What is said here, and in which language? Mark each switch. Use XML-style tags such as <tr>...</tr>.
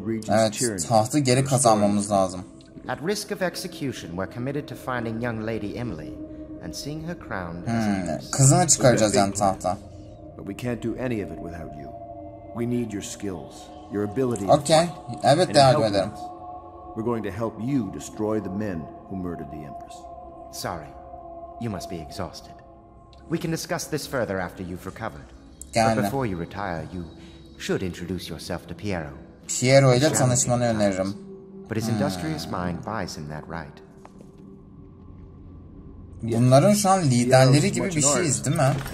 <tr>Evet, tahtı geri kazanmamız lazım.</tr> <en>At risk of execution, we're committed to finding young lady Emily. And seeing her crown</en> <tr>kızını çıkaracağız yani tahta.</tr> <en>But we can't do any of it without you. We need your skills, your ability. Okay.</en> <tr>Evet, devam edelim.</tr> <en>We're going to help you destroy the men who murdered the empress. Sorry. You must be exhausted. We can discuss this further after you've recovered.</en> <tr>Yani.</tr> <en>But before you retire, you should introduce yourself to Piero.</en> <tr>Piero ile tanışmanı öneririm.</tr> <en>But his industrious mind buys him that right.</en> <tr>Bunların şu an liderleri gibi bir şeyiz değil mi?</tr>